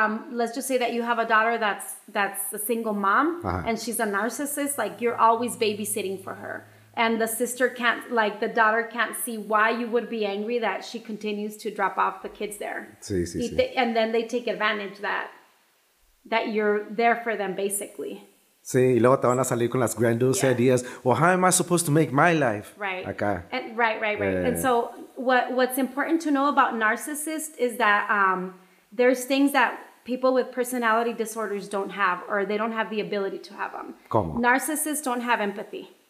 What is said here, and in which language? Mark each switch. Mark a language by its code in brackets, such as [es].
[en] let's just say that you have a daughter that's a single mom uh-huh. and she's a narcissist, like you're always babysitting for her. And the sister can't, like the daughter can't see why you would be angry that she continues to drop off the kids there. [es] Sí. [en] And then they take advantage that you're there for them basically. [es] Sí, y luego te van a salir con las grandiose yeah. [en] ideas. Well, how am I supposed to make my life? Right. [es] Acá. [en] And, right. Yeah. And so what's important to know about narcissists is that, there's things that people with personality disorders don't have, or they don't have the ability to have them. [es] ¿Cómo? [en] Narcissists don't have empathy.